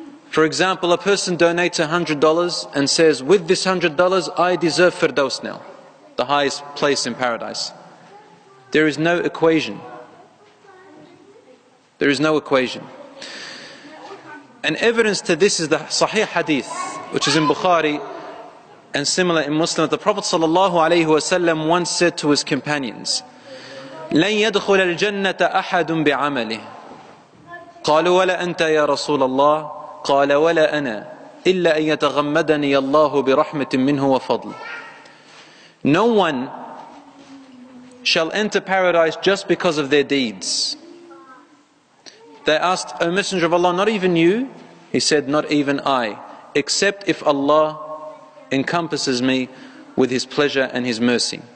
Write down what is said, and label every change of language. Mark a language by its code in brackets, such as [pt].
[en] For example, a person donates $100 and says, with this $100, I deserve Firdaus now, the highest place in paradise. There is no equation. There is no equation. And evidence to this is the Sahih Hadith, which is in Bukhari and similar in Muslim. The Prophet sallallahu alayhi wa sallam once said to his companions, [ar] لَنْ يَدْخُلَ الْجَنَّةَ أَحَدٌ بِعَمَلِهِ قَالُوا وَلَا أَنْتَ يَا رَسُولَ اللَّهِ قال ولا أنا إلا أن يتغمدني الله برحمة منه وفضل. [en] No one shall enter paradise just because of their deeds. They asked, O Messenger of Allah, not even you? He said, not even I, except if Allah encompasses me with His pleasure and His mercy.